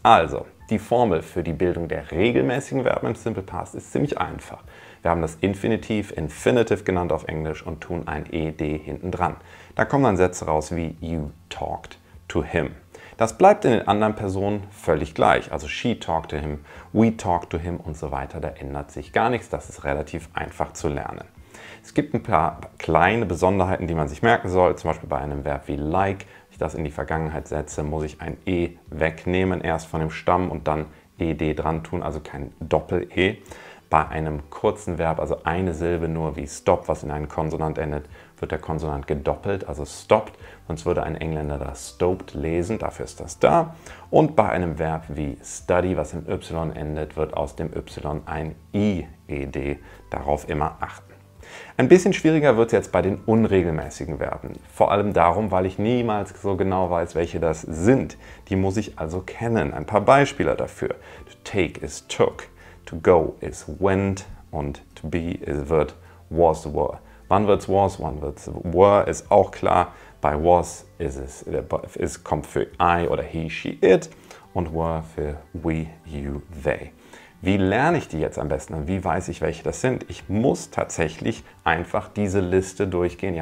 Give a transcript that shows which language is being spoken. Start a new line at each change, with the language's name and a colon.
German: Also, die Formel für die Bildung der regelmäßigen Verben im Simple Past ist ziemlich einfach. Wir haben das Infinitiv, Infinitive genannt auf Englisch und tun ein ED hinten dran. Da kommen dann Sätze raus wie
English: you talked to him.
German: Das bleibt in den anderen Personen völlig gleich.
English: Also she talked to him, we talked to him
German: und so weiter. Da ändert sich gar nichts. Das ist relativ einfach zu lernen. Es gibt ein paar kleine Besonderheiten, die man sich merken soll. Zum Beispiel bei einem Verb wie like, wenn ich das in die Vergangenheit setze, muss ich ein E wegnehmen, erst von dem Stamm und dann ED dran tun, also kein Doppel-E. Bei einem kurzen Verb, also eine Silbe nur wie stop, was in einen Konsonant endet, wird der Konsonant gedoppelt, also stopped. Sonst würde ein Engländer das stoped lesen, dafür ist das da. Und bei einem Verb wie study, was im Y endet, wird aus dem Y ein IED. Darauf immer achten. Ein bisschen schwieriger wird es jetzt bei den unregelmäßigen Verben. Vor allem darum, weil ich niemals so genau weiß, welche das sind. Die muss ich also kennen. Ein paar Beispiele dafür.
English: To take is took. To go is went und to be wird was were.
German: Wann wird's was, wann wird's were, ist auch klar. Bei was kommt für I oder
English: he, she, it
German: und were für
English: we, you, they.
German: Wie lerne ich die jetzt am besten und wie weiß ich, welche das sind? Ich muss tatsächlich einfach diese Liste durchgehen.